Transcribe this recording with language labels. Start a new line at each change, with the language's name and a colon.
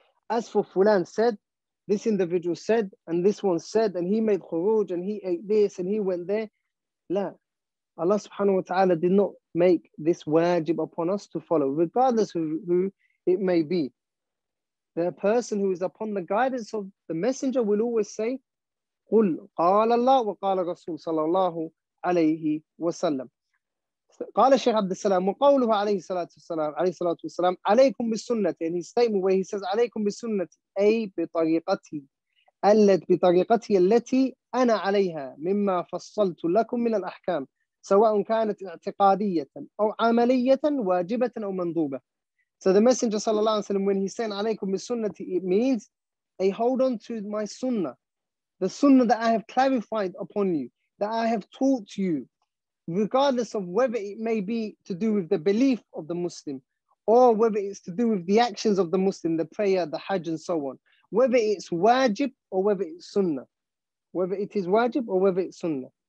English: As for Fulan said, this individual said, and this one said, and he made khuruj, and he ate this, and he went there. La. Allah subhanahu wa ta'ala did not make this wajib upon us to follow, regardless of who it may be. The person who is upon the guidance of the Messenger will always say,
Arabic: قُلْ قَالَ اللَّهُ وَقَالَ رَسُولُ صَلَى اللَّهُ عَلَيْهِ وَسَلَّمُ قَالَ شَيْخ عَبْدِ السَّلَامُ وَقَوْلُهُ عَلَيْهِ صَلَاةُ السَّلَامُ عَلَيْهِ صَلَاةُ السَّلَامُ عَلَيْكُمْ بِالسُّنَّةِ.
English: And his statement where he says,
Arabic: عَلَيْكُمْ بِالسُّنَّةِ أي بِطَرِيقَتِي بِطَرِيقَتِي الَّتِي أَنَا عَلَيْهَا مِمَّا فَصَّلْتُ لَكُمْ مِنَ الْأَحْكَامِ سواء كانت اعتقادية أو عملية واجبة أو مندوبة.
English: So the Messenger sallallahu alaihi wasallam, when he's saying
Arabic: عليكم بالسنة,
English: it means a hold on to my sunnah, the sunnah that I have clarified upon you, that I have taught you, regardless of whether it may be to do with the belief of the Muslim, or whether it's to do with the actions of the Muslim, the prayer, the hajj, and so on, whether it's wajib or whether it's sunnah, whether it is wajib or whether it's sunnah.